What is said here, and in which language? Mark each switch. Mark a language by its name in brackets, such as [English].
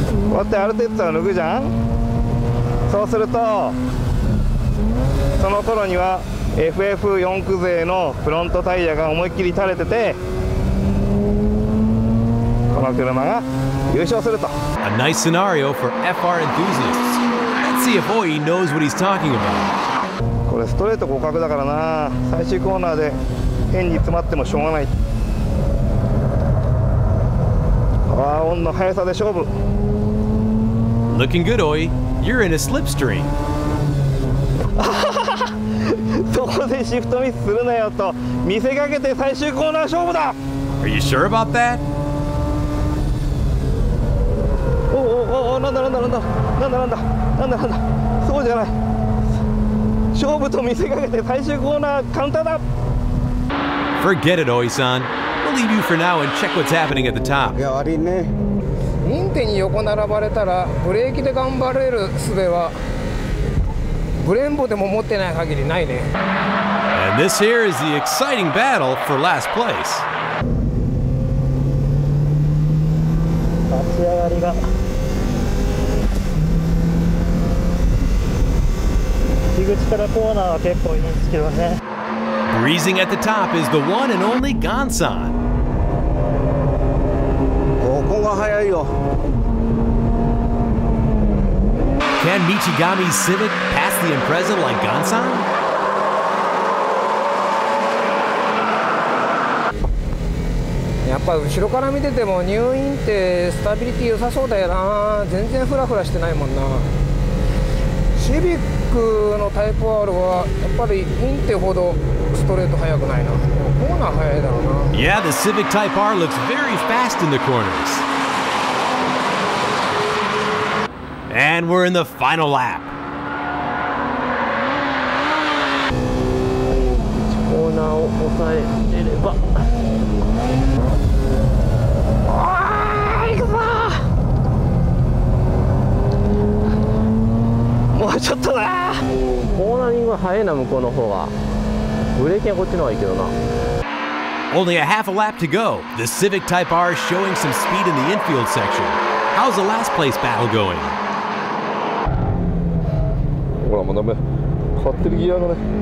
[Japanese] こうやってアルテッツァを抜くじゃん。そうすると、その頃には。 FF4 駆勢のフロントタイヤが思いっきり垂れてて、この車が優勝すると。 [English] A nice scenario for FR enthusiasts. Let's see if Oi knows what he's talking about. [Japanese] これストレート互角だからな。最終コーナーで変に詰まってもしょうがない。パワーオンの速さで勝負。 [English] Looking good, Oi. You're in a slipstream. [Japanese] そこでシフトミスするなよと見せかけて最終コーナー勝負だ。 [English] Are you sure about that? [Japanese] おおおお、なんだなんだなんだなんだなんだなんだなんだ、そうじゃない、勝負と見せかけて最終コーナーカウンターだ。 [English] Forget it, Oi-san. We'll leave you for now and check what's happening at the top. [Japanese] いや、悪いね。インテに横並ばれたらブレーキで頑張れる術はブレンボでも持ってない限りないね。 [English] And this here is the exciting battle for last place. [Japanese] 立ち上がりが入口からコーナーは結構いいんですけどね。 [English] Breezing at the top is the one and only Gonsan. [Japanese] ここが速いよ。 [English] Can Michigami's Civic pass the Impreza like Gansan? [Japanese] やっぱ後ろから見てても入院ってスタビリティ良さそうだよな。全然フラフラしてないもんな。シビックのタイプ R はやっぱりインテほどストレート速くないな。コーナー速いだろうな。 [English] Yeah, the Civic Type R looks very fast in the corners. And we're in the final lap. [Japanese] コーナーを抑えてれば。ちょっとなー、コーナリングは早いな、向こうの方は。ブレーキはこっちの方がいいけどな。 [English] Only a half a lap to go. The Civic Type R showing some speed in the infield section. How's the last place battle going? [Japanese] ほら、もうダメ、変わってるギアがね。